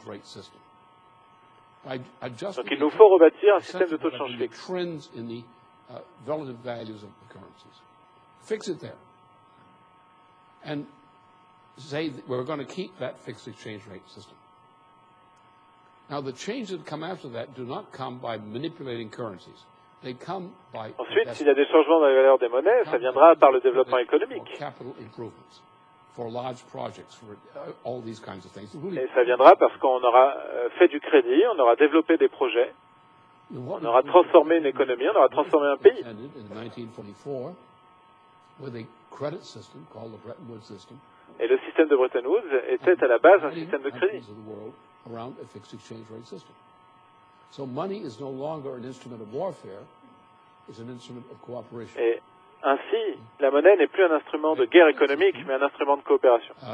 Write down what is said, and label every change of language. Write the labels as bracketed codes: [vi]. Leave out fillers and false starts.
[fr] Donc il nous faut rebâtir un système de taux de change fixe. [en] Now the changes that come after that do not come by manipulating currencies. They come by. [fr] Ensuite, s'il y a des changements dans la valeur des monnaies, ça viendra par le développement économique. [en] Capital improvements for large projects, for all these kinds of things. [fr] Et ça viendra parce qu'on aura fait du crédit, on aura développé des projets, on aura transformé une économie, on aura transformé un pays. [en] In 1944, with a credit system called the Bretton Woods system. [fr] Et le système de Bretton Woods était à la base un système de crédit. [en] Around a fixed exchange rate system. So money is no longer an instrument of warfare, it's an instrument of cooperation. [fr] Et ainsi, la monnaie n'est plus un instrument de guerre économique, mais un instrument de coopération.